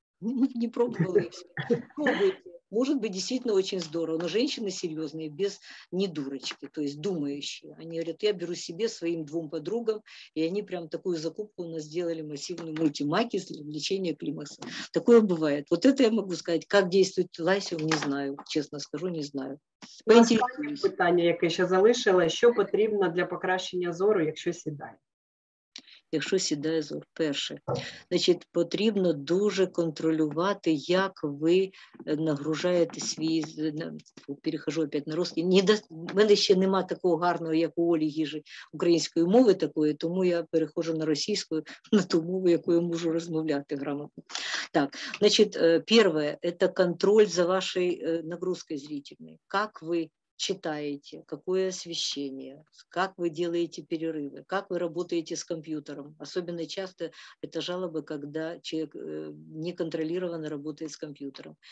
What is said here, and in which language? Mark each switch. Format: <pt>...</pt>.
<ru>Не пробовала. Пробуйте. Может быть, действительно очень здорово. Но женщины серьезные, без не дурочки, то есть думающие. Они говорят, я беру себе, своим двум подругам. И они прям такую закупку у нас сделали, массивную мультимаки для лечения климакса. Такое бывает. Вот это я могу сказать. Как действует лайсиум, не знаю. Честно скажу, не знаю. Последнее</ru> <uk>питание, яке ще залишила, що потрібно для покращення зору, якщо сідає? Якщо сідає зор, перше, значить, потрібно дуже контролювати, як ви нагружаєте свій,</uk> <ru>перехожу опять на русский,</ru> <uk>мене ще нема такого гарного, як у Олі Гіжі, української мови такої, тому я перехожу на російську, на ту мову, якою можу розмовляти грамотно. Так, значить, перше, це контроль за вашою нагрузкою зрительною, як ви читаете,</uk> <ru>какое освещение, как вы делаете перерывы, как вы работаете с компьютером. Особенно часто это жалобы, когда человек неконтролированно работает с компьютером.</ru>